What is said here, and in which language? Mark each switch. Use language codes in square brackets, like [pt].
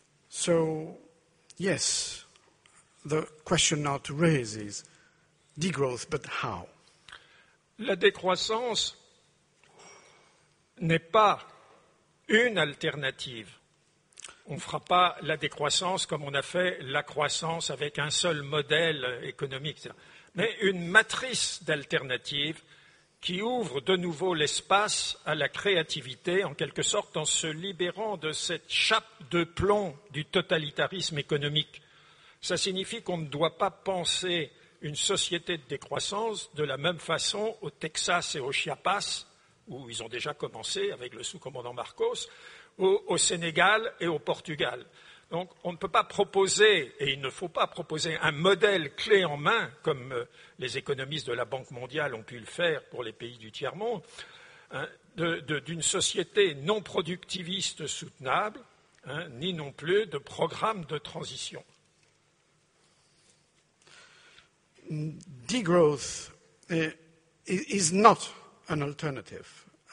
[en] So, yes, the question now to raise is degrowth, but how? [fr] La décroissance n'est pas une alternative. On ne fera pas la décroissance comme on a fait la croissance avec un seul modèle économique, etc. Mais une matrice d'alternatives qui ouvre de nouveau l'espace à la créativité, en quelque sorte en se libérant de cette chape de plomb du totalitarisme économique. Ça signifie qu'on ne doit pas penser une société de décroissance de la même façon au Texas et au Chiapas, où ils ont déjà commencé avec le sous-commandant Marcos, ou au Sénégal et au Portugal. Donc on ne peut pas proposer, et il ne faut pas proposer, un modèle clé en main, comme les économistes de la Banque mondiale ont pu le faire pour les pays du tiers-monde, d'une société non productiviste soutenable, hein, ni non plus de programme de transition. [en] Degrowth is not an alternative.